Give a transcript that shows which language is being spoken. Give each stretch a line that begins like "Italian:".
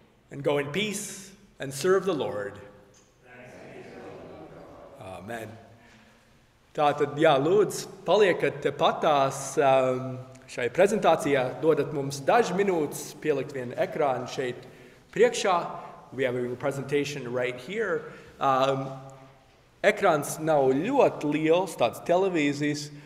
English: And go in peace and serve the Lord.
Latvian: Amen. Tātad, jā, lūdzu, paliekat te patās. šai prezentācijā. Dodat mums dažas minūtes pielikt vienu ekrānu šeit priekšā.
English: We have a presentation right here.
Latvian: Ekrāns nav ļoti liels, tāds televīzijas.